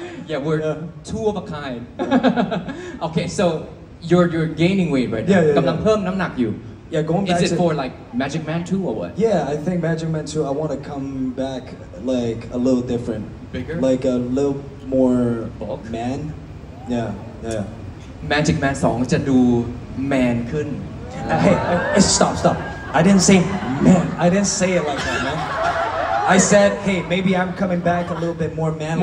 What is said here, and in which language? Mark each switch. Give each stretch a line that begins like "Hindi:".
English: Yeah, we're two of a kind. Okay, so you're gaining weight right now. Yeah.
Thai: กำลังเพิ่มน้ำหนักอยู่
English: Yeah, going back to. Is it for like Magic Man 2 or what? Yeah, I think Magic Man 2. I want to come back like a little different. Bigger. Like a little more bulk man. Yeah.
Thai: Magic Man 2จะดูแมนขึ้น
English: Hey, stop. I didn't say man. I didn't say it like that, man. I said, hey, maybe I'm coming back a little bit more manly.